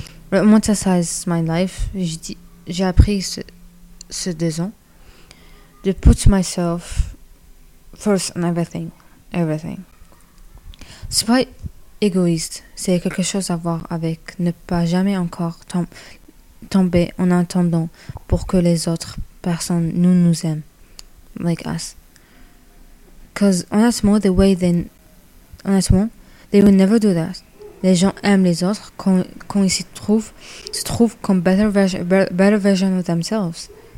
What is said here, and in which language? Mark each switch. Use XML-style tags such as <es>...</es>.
<en>Romanticize my life,</en> <fr>j'ai appris ce 2 ans,</fr> <en>to put myself first on everything.</en> <fr>C'est pas égoïste, c'est quelque chose à voir avec ne pas jamais encore tomber en attendant pour que les autres personnes nous aiment.</fr> <en>Like us, cause honestly, they will never do that.</en> <fr>Les gens aiment les autres quand ils se trouvent comme</fr> <en>better version of themselves.</en>